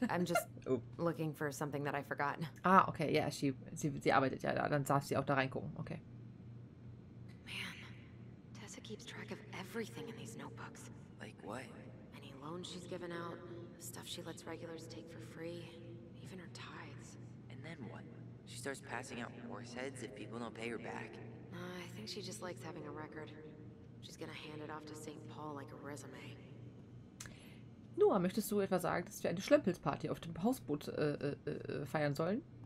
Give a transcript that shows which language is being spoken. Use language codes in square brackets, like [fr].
[en] I'm just looking for something that I forgot. [de] Ah, okay, yeah, sie arbeitet ja da, dann darf sie auch da reingucken, okay. [en] Man, Tessa keeps track of everything in these notebooks. Like what? Any loans she's given out, stuff she lets regulars take for free, even her tithes. And then what? She starts passing out horse heads if people don't pay her back. I think she just likes having a record. She's gonna hand it off to St. Paul like a resume. [de] Noah, möchtest du etwa sagen, dass wir eine Schlömpelsparty auf dem Hausboot feiern sollen?